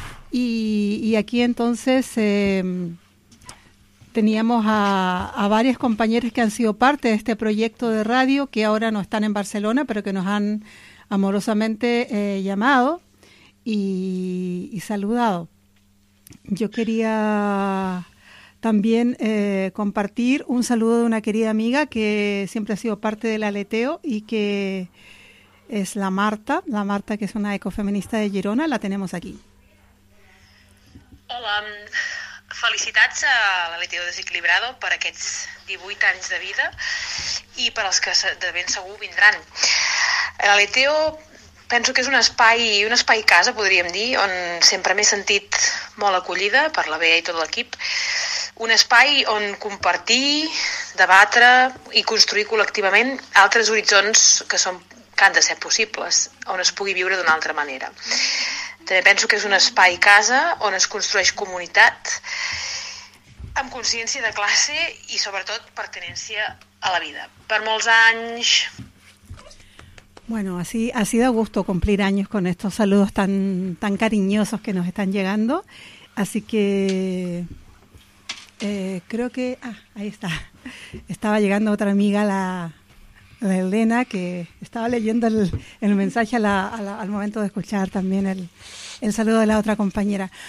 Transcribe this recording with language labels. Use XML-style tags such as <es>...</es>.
<es>Y aquí entonces teníamos a varias compañeras que han sido parte de este proyecto de radio que ahora no están en Barcelona, pero que nos han amorosamente llamado y saludado. Yo quería también compartir un saludo de una querida amiga que siempre ha sido parte del aleteo y que es la Marta que es una ecofeminista de Girona, la tenemos aquí.</es> <ca>Hola, felicitats a l'Aleteo Desequilibrado per aquests 18 anys de vida i per als que de ben segur vindran. L'Aleteo penso que és un espai casa, podríem dir, on sempre m'he sentit molt acollida per la Bea i tot l'equip. Un espai on compartir, debatre i construir col·lectivament altres horitzons que han de ser possibles, on es pugui viure d'una altra manera. També penso que és un espai casa on es construeix comunitat amb consciència de classe i sobretot pertinència a la vida. Per molts anys.</ca> <es>Bueno, así ha sido a gusto cumplir años con estos saludos tan tan cariñosos que nos están llegando. Así que creo que ahí está. Estaba llegando otra amiga, la Elena, que estaba leyendo el mensaje al momento de escuchar también el saludo de la otra compañera.</es>